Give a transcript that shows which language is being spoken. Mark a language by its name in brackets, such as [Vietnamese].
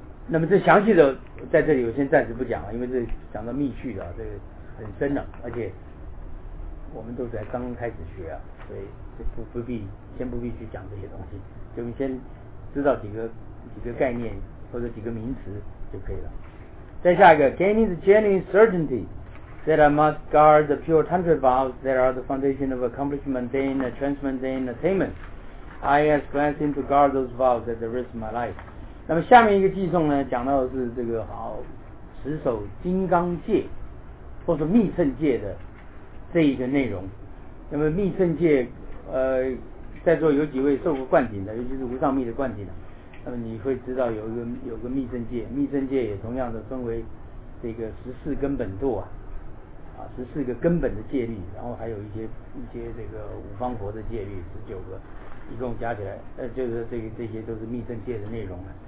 [Chinese] 那么这详细的在这里我先暂时不讲了，因为这讲到密续的，这个很深了，而且我们都在刚刚开始学啊，所以就不必去讲这些东西，就先知道几个概念或者几个名词就可以了。再下一个 [English] ，gaining the genuine certainty that I must guard the pure tantra vows that are the foundation of accomplishing mundane and transmundane attainment, I ask blessing to guard those vows at the risk of my life。 [Chinese] 那么下面一个偈颂呢，讲到的是这个好持守金刚戒或者密乘戒的这一个内容。那么密乘戒，在座有几位受过灌顶的，尤其是无上密的灌顶的，那么你会知道有个密乘戒，密乘戒也同样的分为这个十四根本舵啊，十四个根本的戒律，然后还有一些这个五方佛的戒律，十九个，一共加起来，就是这些都是密乘戒的内容了。